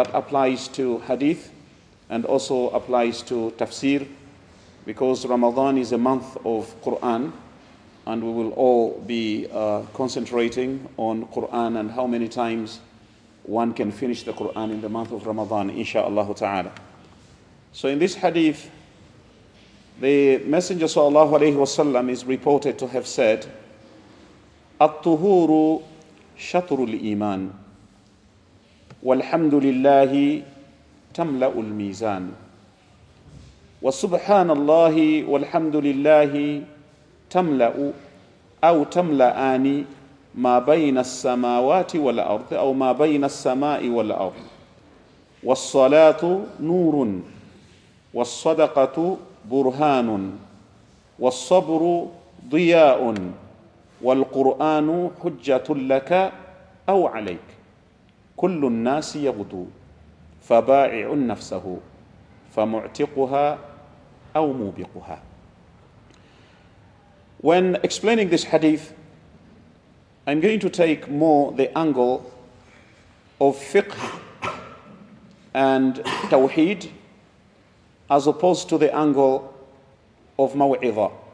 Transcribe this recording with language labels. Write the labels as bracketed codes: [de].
[en] That applies to hadith and also applies to tafsir, because Ramadan is a month of Qur'an, and we will all be concentrating on Qur'an and how many times one can finish the Qur'an in the month of Ramadan, insha'Allah ta'ala. So in this hadith, the Messenger sallallahu alayhi wa sallam is reported to have said, [ar] "At-tuhuru shatru al-iman, walhamdulillahi tamla'u al-mizan, wa subhanallahi walhamdulillahi tamla'u أو تملأان ما بين السماوات والأرض أو ما بين السماء والأرض والصلاة نور والصدقة برهان والصبر ضياء والقرآن حجة لك أو عليك كل الناس يغدو فبائع نفسه فمعتقها أو موبقها." [en] When explaining this hadith, I'm going to take more the angle of fiqh and tawheed as opposed to the angle of maw'idah.